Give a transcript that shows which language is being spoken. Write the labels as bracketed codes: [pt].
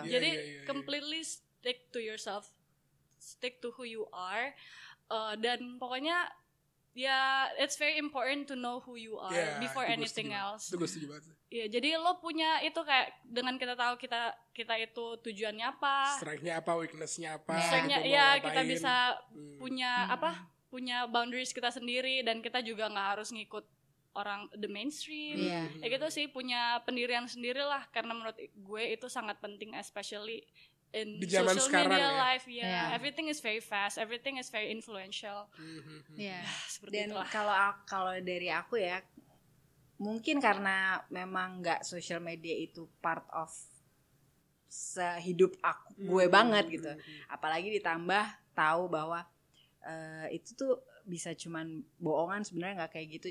[en] Jadi completely stick to yourself, stick to who you are, [id] dan pokoknya ya [en] it's very important to know who you are before anything else. [id] Itu gue setuju banget. Iya, jadi lo punya itu kayak dengan kita tahu kita itu tujuannya apa, strength-nya apa, weakness-nya apa. Strength-nya ya kita bisa punya apa? Punya boundaries kita sendiri dan kita juga nggak harus ngikut orang the mainstream. Ya gitu sih, punya pendirian sendirilah karena menurut gue itu sangat penting especially in di zaman social media sekarang, [en] life. Everything is very fast, everything is very influential. [id] Dan kalau dari aku ya, mungkin karena memang nggak social media itu part of sehidup aku gue banget gitu, apalagi ditambah tahu bahwa itu tuh bisa cuman bohongan, sebenarnya nggak kayak gitu.